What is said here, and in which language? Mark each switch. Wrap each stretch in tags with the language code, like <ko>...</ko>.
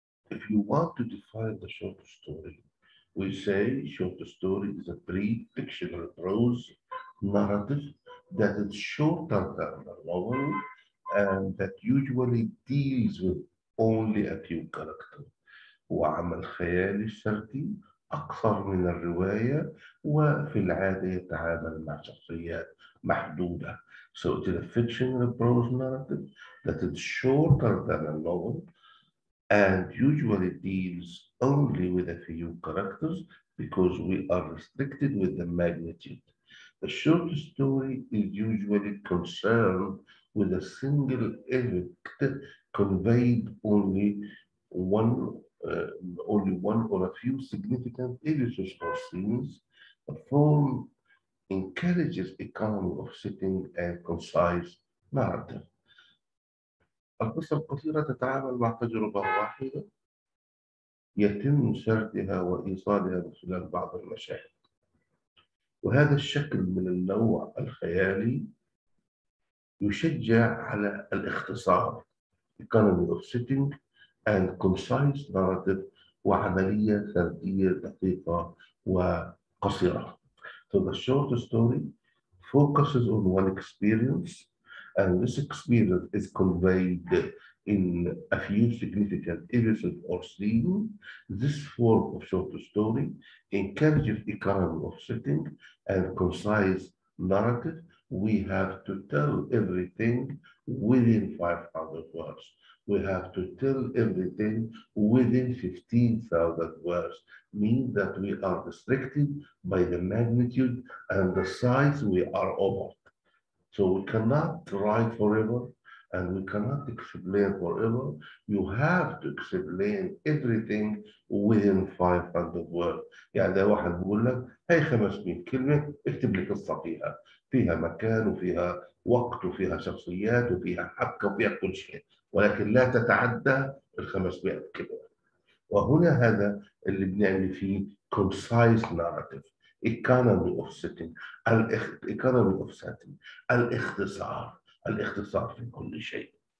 <en>If you want to define the short story, we say short story is a brief fictional prose narrative that is shorter than a novel and that usually deals with only a few characters.</en> <ar>وعمل خيالي سردي أكثر من الرواية وفي العادة يتعامل مع شخصيات محدودة.</ar> <en>So it is a fictional prose narrative that is shorter than a novel and usually deals only with a few characters because we are restricted with the magnitude. The short story is usually concerned with a single event conveyed only one or a few significant images or scenes. The form encourages economy of setting and concise narrative.</en> <ar>القصة القصيرة تتعامل مع تجربة واحدة يتم سردها وإيصالها من خلال بعض المشاهد، وهذا الشكل من النوع الخيالي يشجع على الاختصار</ar> <en>economy of setting and concise narrative</en> <ar>وعملية سردية دقيقة وقصيرة.</ar> <en>So the short story focuses on one experience and this experience is conveyed in a few significant episodes or scenes. This form of short story encourages economy of setting and concise narrative. We have to tell everything within 500 words. We have to tell everything within 15,000 words, means that we are restricted by the magnitude and the size we are over. So we cannot write forever and we cannot explain forever. You have to explain everything within 500 words.</en> <ar>يعني ده واحد بيقول لك هي 500 كلمة اكتب لي قصة فيها. فيها مكان وفيها وقت وفيها شخصيات وفيها حبكة وفيها كل شيء. ولكن لا تتعدى ال 500 كلمة. وهنا هذا اللي بنعمل فيه</ar> <en>concise narrative. Economy of setting, economy of setting,</en> <ar>الاختصار, الاختصار في كل شيء.</ar>